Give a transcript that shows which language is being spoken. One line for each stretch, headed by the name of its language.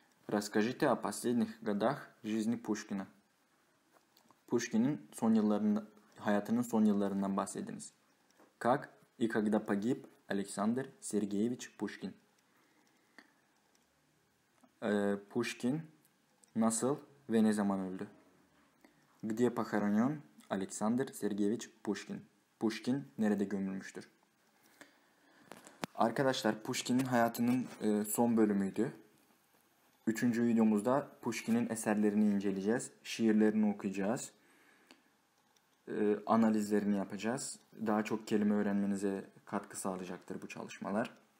Russian: Расскажите о последних годах жизни Пушкина.
Turkish: Пушкин'in hayatının son yıllarından bahsediniz.
Russian: Как и когда погиб Александр Сергеевич Пушкин?
Turkish: Пушкин nasıl ve ne zaman öldü?
Russian: Где похоронен Александр Сергеевич Пушкин?
Turkish: Пушкин nerede gömülmüştür? Arkadaşlar, Пушкин'in hayatının son bölümüydü. Üçüncü videomuzda Пушкин'in eserlerini inceleyeceğiz, şiirlerini okuyacağız. Analizlerini yapacağız. Daha çok kelime öğrenmenize katkı sağlayacaktır bu çalışmalar.